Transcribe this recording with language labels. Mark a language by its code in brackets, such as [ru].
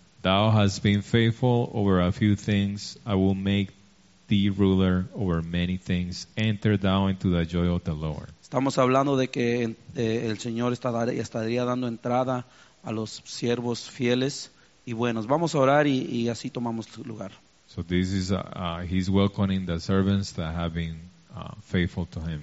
[en] Thou hast been faithful over a few things. I will make the ruler over many things. Enter thou into the joy of the Lord. [es] Estamos hablando de que el Señor estaría dando entrada a los siervos fieles y buenos. Vamos a orar y así tomamos lugar. [en] So this is he's welcoming the servants that have been faithful to him.